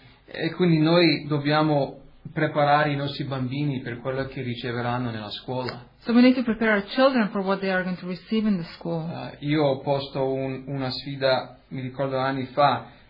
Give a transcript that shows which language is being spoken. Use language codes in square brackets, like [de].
[it] E quindi noi dobbiamo preparare i nostri bambini per quello che riceveranno nella scuola. [en] So we need to prepare our children for what they are going to receive in the school. [it] Io ho posto una sfida, mi ricordo anni fa.